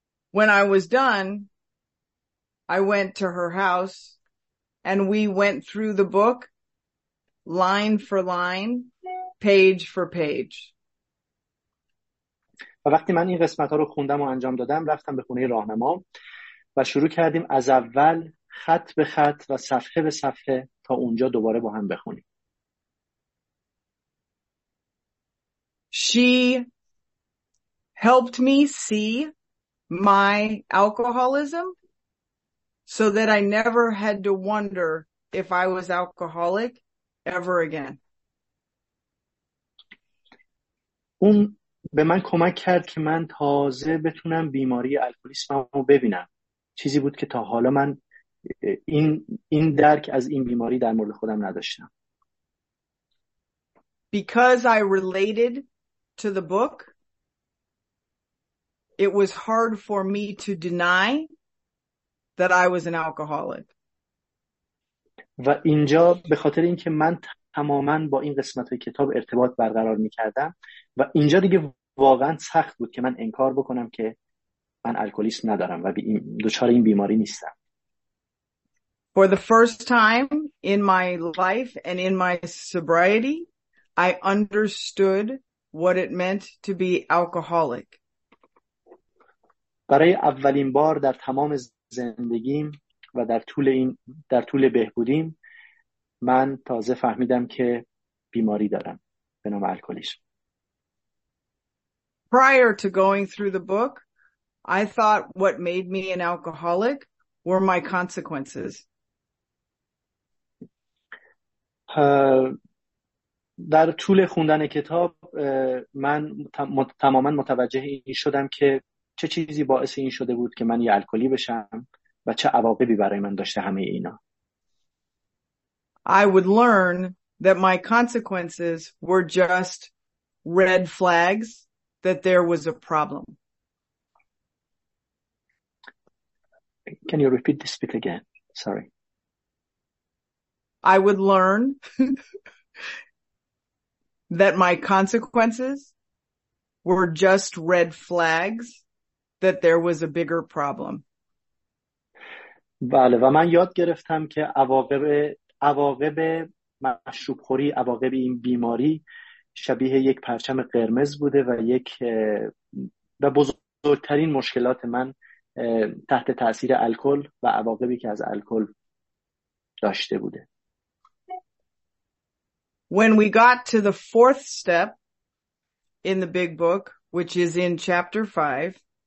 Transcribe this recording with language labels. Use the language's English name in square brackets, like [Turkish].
[English] When I was done, I went to her house and we went through the book line for line. Page for page. [Persian] و وقتی من این قسمت ها رو خوندم و انجام دادم رفتم به خونه راهنما و شروع کردیم از اول خط به خط و صفحه به صفحه تا اونجا دوباره با هم بخونیم. [English] She helped me see my alcoholism so that I never had to wonder if I was alcoholic ever again. [Persian] اون به من کمک کرد که من تازه بتونم بیماری الکلیسمم رو ببینم. چیزی بود که تا حالا من این درک از این بیماری در مورد خودم نداشتم. [English] Because I related to the book, it was hard for me to deny that I was an alcoholic. [Persian] و اینجا به خاطر اینکه من تماما با این قسمت های کتاب ارتباط برقرار می کردم و اینجا دیگه واقعا سخت بود که من انکار بکنم که من الکلیسم ندارم و دچار این بیماری نیستم. [English] For the first time in my life and in my sobriety, I understood what it meant to be alcoholic. [Persian] برای اولین بار در تمام زندگیم و در طول بهبودیم من تازه فهمیدم که بیماری دارم به نام الکلیسم. [English] Prior to going through the book, I thought what made me an alcoholic were my consequences. [Persian] در طول خوندن کتاب من تماما متوجه این شدم که چه چیزی باعث این شده بود که من یه الکلی بشم و چه عواقبی برای من داشته همه اینا. [English] I would learn that my consequences were just red flags that there was a problem. Can you repeat this bit again? Sorry. I would learn that my consequences were just red flags that there was a bigger problem. [Persian] بله، و من یاد گرفتم که عواقب مشروب خوری، عواقب این بیماری شبیه یک پرچم قرمز بوده و و بزرگترین مشکلات من تحت تأثیر الکل و عواقبی که از الکل داشته بوده. [English] When we got to the fourth step in the big book, which is in chapter 5,